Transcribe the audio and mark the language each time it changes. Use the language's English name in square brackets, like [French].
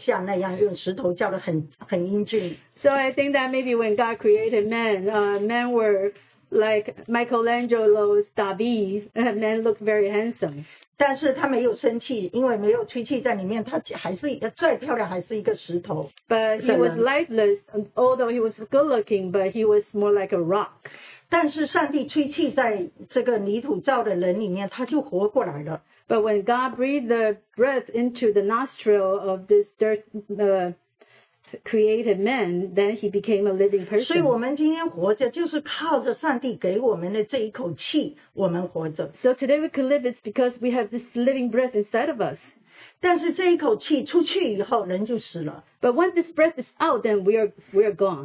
[Chinese] 我就在想，上帝创造人的时候，可能用泥土造那个人，也是像米开朗基罗的大卫像那样，用石头造的很英俊。 [English] So I think that maybe when God created man, men were like Michelangelo's David, and men looked very handsome. [Chinese] 但是他没有生气，因为没有吹气在里面，他还是再漂亮，还是一个石头。 [English] But he was lifeless, although he was good looking, but he was more like a rock. [Chinese] 但是上帝吹气在这个泥土造的人里面，他就活过来了。 [English] But when God breathed the breath into the nostril of this dirt created man, then he became a living person. [Chinese] 所以我们今天活着，就是靠着上帝给我们的这一口气，我们活着。 [English] So today we can live, it's because we have this living breath inside of us. [Chinese] 但是这一口气出去以后，人就死了。 [English] But when this breath is out, then we are gone.